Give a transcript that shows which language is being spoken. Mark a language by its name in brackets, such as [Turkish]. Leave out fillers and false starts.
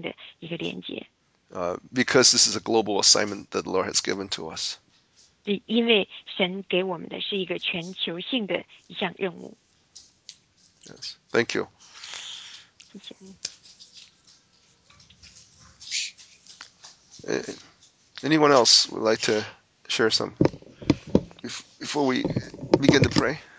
[Chinese] 这就是为什么我们是开始的是这样的一个全球祷告连接，它必须是一个全球性的一个一致的行动，一个必须是全球性的一个连接。Because [English] this is a global assignment that the Lord has given to us. [Chinese] 因为神给我们的是一个全球性的一项任务。Yes, [English] thank you. [Chinese] 谢谢。 [English] Anyone else would like to share some? Before we begin to pray,